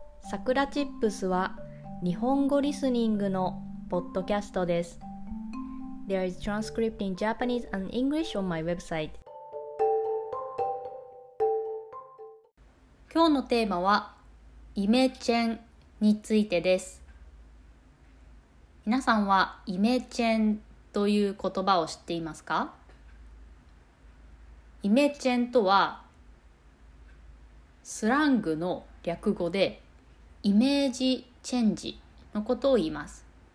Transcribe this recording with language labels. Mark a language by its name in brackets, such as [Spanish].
[Japanese] さくらチップスは日本語リスニングのポッドキャストです。 [English] There is transcript in Japanese and English on my website。 [Japanese] 今日のテーマはイメチェンについてです。皆さんはイメチェンという言葉を知っていますか？イメチェンとはスラングの略語でイメージチェンジのことを言います。